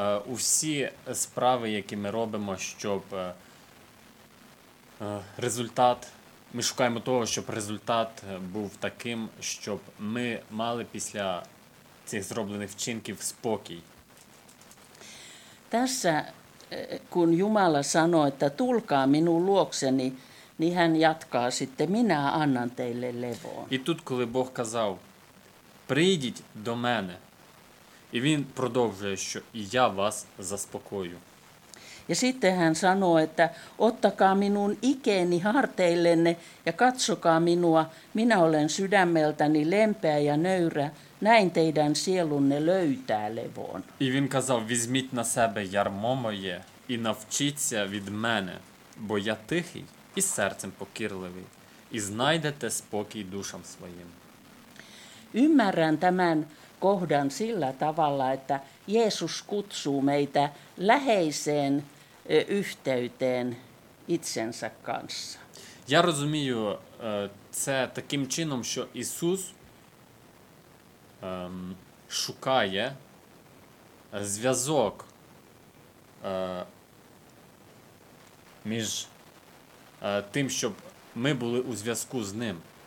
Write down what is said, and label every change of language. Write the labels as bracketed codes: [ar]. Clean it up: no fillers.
[uk] У всі справи, які ми робимо, щоб результат, ми шукаємо того, щоб результат був таким, щоб ми мали після цих зроблених вчинків спокій. [fi] Tässä, kun Jumala sanoo, että tulkaa minun luokseni, niin hän jatkaa sitten, minä annan teille levon. [uk] І тут, коли Бог казав, прийдіть до мене, і він продовжує, що я вас заспокою. [fi] Ja sitten hän sanoo, että ottakaa minun ikeni harteillenne ja katsokaa minua, minä olen sydämeltäni lempeä ja nöyrä, näin teidän sielunne löytää levon. [uk] І він казав, візьміть на себе ярмо моє і навчіться від мене, бо я тихий і серцем покірливий, і знайдете спокій душам своїм. [fi] Ymmärrän tämän kohdan sillä tavalla, että Jeesus kutsuu meitä läheiseen yhteyteen itsensä kanssa. [uk] Я розумію це таким чином, що Ісус шукає зв'язок між тим, щоб ми були у зв'язку з ним.